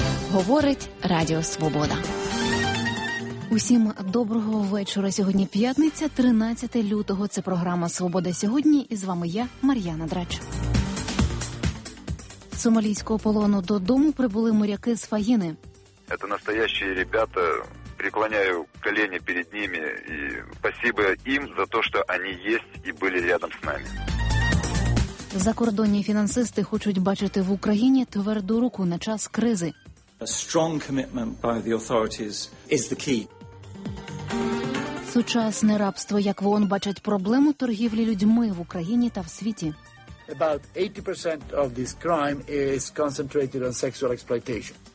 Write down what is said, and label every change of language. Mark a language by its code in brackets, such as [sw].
[uk] Говорить Радіо Свобода. Усім доброго вечора. Сьогодні п'ятниця, 13 лютого. Це програма «Свобода сьогодні». І з вами я, Мар'яна Драч. З сомалійського полону додому прибули моряки з «Фаїни». [ru] Це настоящие ребята. Преклоняю колени перед ними. [uk] І спасибо їм за те, що вони є і були рядом з нами. Закордонні фінансисти хочуть бачити в Україні тверду руку на час кризи. [en] A strong commitment by the authorities is the key. [uk] Сучасне рабство, як в ООН бачать проблему торгівлі людьми в Україні та в світі. [en] About 80% of this crime is concentrated on sexual exploitation.